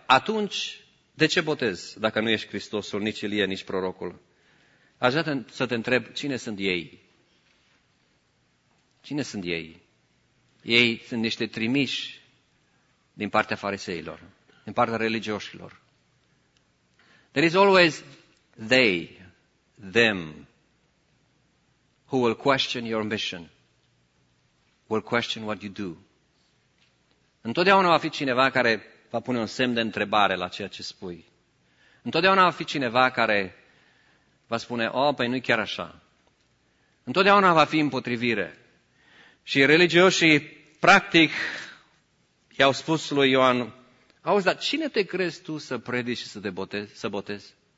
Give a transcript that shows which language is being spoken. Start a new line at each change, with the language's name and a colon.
Romanian: Atunci, de ce botez dacă nu ești Hristosul, nici Ilie, nici prorocul? Aș vrea să te întreb, cine sunt ei? Cine sunt ei? Ei sunt niște trimiși din partea fariseilor, din partea religioșilor.
English: There is always they, them, who will question your mission, will question what you do.
Romanian: Întotdeauna va fi cineva care va pune un semn de întrebare la ceea ce spui. Întotdeauna va fi cineva care va spune, păi nu-i chiar așa. Întotdeauna va fi împotrivire. Și religioșii, practic, i-au spus lui Ioan, auzi, dar cine te crezi tu să predici și să te botezi?